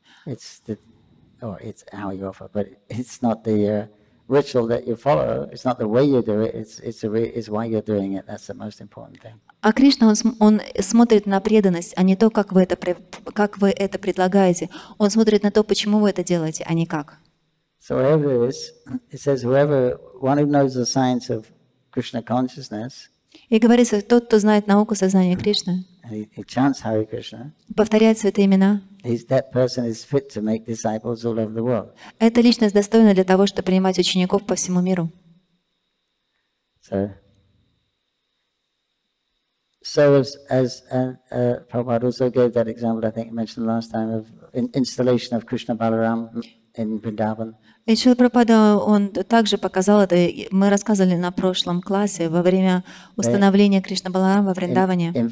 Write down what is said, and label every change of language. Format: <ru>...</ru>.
<en>It's how you offer, but it's not the ritual that you follow. It's not the way you do it. It's why you're doing it. That's the most important thing.</en> <ru>А Кришна он смотрит на преданность, а не то, как вы это предлагаете. Он смотрит на то, почему вы это делаете, а не как.</ru> <en>So whoever it is, it says whoever one who knows the science of Krishna consciousness.</en> <ru>И говорится, тот, кто знает науку сознания Кришны.</ru> <en>He chants Hare Krishna.</en> <ru>Повторяет святые имена.</ru> <en>That person is fit to make disciples all over the world.</en> <ru>Эта личность достойна для того, чтобы принимать учеников по всему миру.</ru> <en>So as Prabhupada also gave that example, I think he mentioned last time of installation of Krishna Balaram in Vrindavan.</en> <ru>И Шрила Прабхупада, он также показал это, мы рассказывали на прошлом классе, во время установления Кришна Баларама во Вриндаване.</ru>